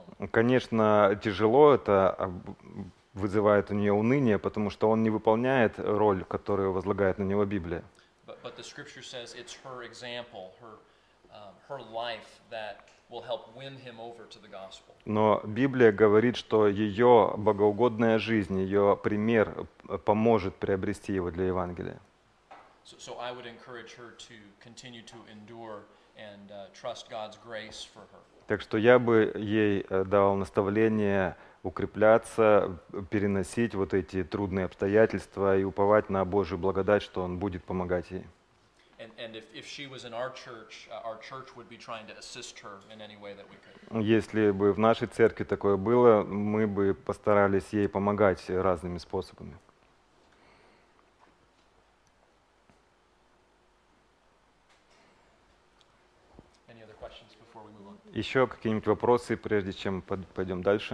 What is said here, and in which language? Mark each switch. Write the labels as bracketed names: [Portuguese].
[Russian] Конечно, тяжело это вызывает у нее уныние, потому что он не выполняет роль, которую возлагает на него Библия. [English] But the scripture says it's her example, her life that will help win him over to the gospel. [Russian] Но Библия говорит, что ее богоугодная жизнь, ее пример поможет приобрести его для Евангелия. [English] So I would encourage her to continue to endure and trust God's grace for her. [Russian] Так что я бы ей дал наставление укрепляться, переносить вот эти трудные обстоятельства и уповать на Божью благодать, что он будет помогать ей. [English] And if she was in our church would be trying to assist her in any way that we could. [Russian] Если бы в нашей церкви такое было, мы бы постарались ей помогать разными способами. [English] Any other questions before we move on? [Russian] Еще какие-нибудь вопросы, прежде чем пойдем дальше?